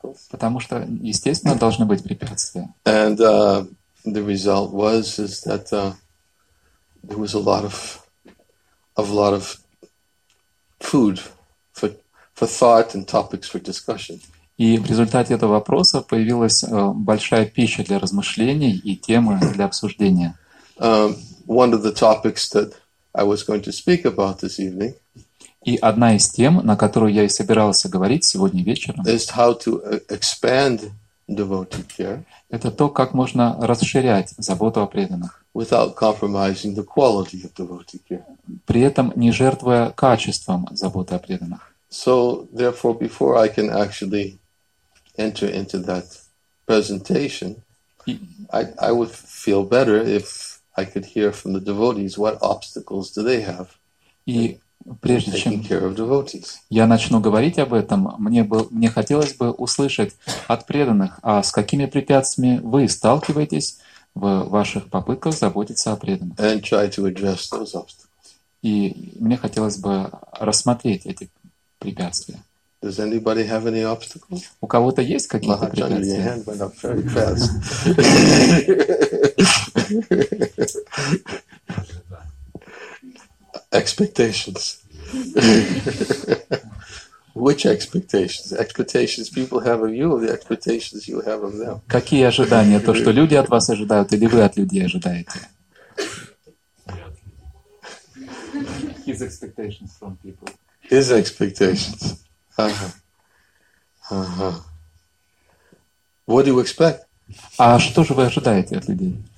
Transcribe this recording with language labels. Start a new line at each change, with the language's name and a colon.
Russian: Потому что, естественно, должны быть препятствия.
English: And the result was is that there was a lot of food. For thought and topics for discussion.
Russian: И в результате этого вопроса появилась большая пища для размышлений и темы для обсуждения.
English: One of the topics that I was going to speak about this evening.
Russian: И одна из тем, на которую я и собирался говорить сегодня вечером.
English: Is how to expand devotee care.
Russian: Это то, как можно расширять заботу о преданных.
English: Without compromising the quality of devotee care.
Russian: При этом не жертвуя качеством заботы о преданных.
English: So, therefore, before I can actually enter into that presentation, I would feel better if I could hear from the devotees what obstacles do they have in taking care of devotees.
Russian: Я начну говорить об этом. Мне хотелось бы услышать от преданных, а с какими препятствиями вы сталкиваетесь в ваших попытках заботиться о преданных?
English: And try to address those obstacles.
Russian: И мне хотелось бы рассмотреть эти препятствия.
English: Does anybody have any obstacles?
Russian: У кого-то есть какие-то препятствия?
English: Mahajan, your hand went up very fast. Expectations. Which expectations? Expectations people have of you or the expectations you have of them?
Russian: Какие ожидания? То, что люди от вас ожидают или вы от людей ожидаете?
English: His expectations from people. His expectations. Uh-huh. What do you expect?
Russian: А что же вы ожидаете от людей?